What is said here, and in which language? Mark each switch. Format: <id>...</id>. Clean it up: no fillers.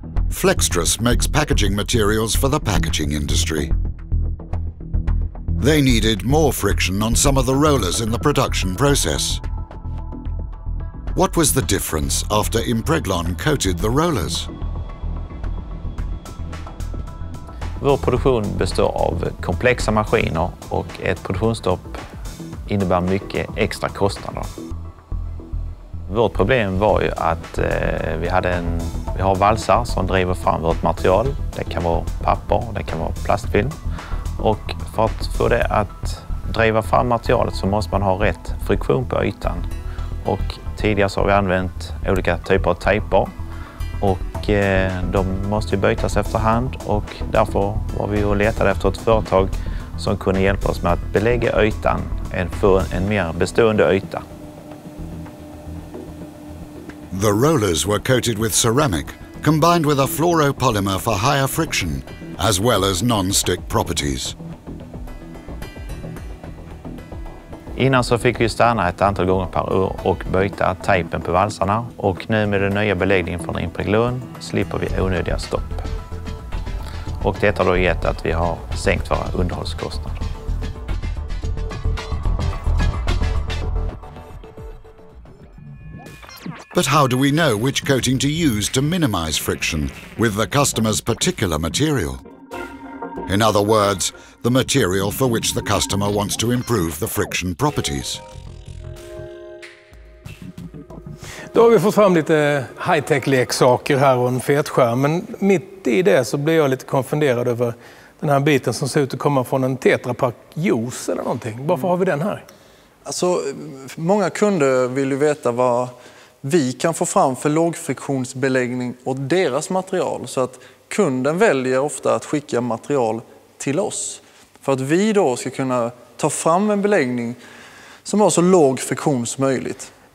<en>Flextrus makes packaging materials for the packaging industry. They needed more friction on some of the rollers in the production process. What was the difference after Impreglon coated the rollers?</en> <sv>Vår produktion består av komplexa maskiner och ett produktionsstopp innebär mycket extra kostnader. Vårt problem var ju att vi har valsar som driver fram vårt material. Det kan vara papper, det kan vara plastfilm. Och för att få det att driva fram materialet så måste man ha rätt friktion på ytan. Och tidigare så har vi använt olika typer av tejper. Och de måste ju bytas efterhand och därför var vi och letade efter ett företag som kunde hjälpa oss med att belägga ytan för en mer bestående yta.</sv> <en>The rollers were coated with ceramic, combined with a fluoropolymer for higher friction, as well as non-stick properties.</en> <sv>Innan så fick vi stanna ett antal gånger per år och byta tejpen på valsarna. Och nu med den nya beläggningen från Impreglon slipper vi onödiga stopp. Och det har då gett att vi har sänkt våra underhållskostnader.</sv> <en>But how do we know which coating to use to minimize friction with the customer's particular material? In other words, the material for which the customer wants to improve the friction properties.</en> <sv>Då har vi fått fram lite high-tech-leksaker här och en fet skärm, men mitt i det så blir jag lite konfunderad över den här biten som ser ut att komma från en Tetra Pak juice eller någonting. Varför har vi den här? Alltså, många kunder vill ju veta vad vi kan få fram för lågfriktionsbeläggning och deras material, så att kunden väljer ofta att skicka material till oss för att vi då ska kunna ta fram en beläggning som har så låg friktion som möjligt.</sv>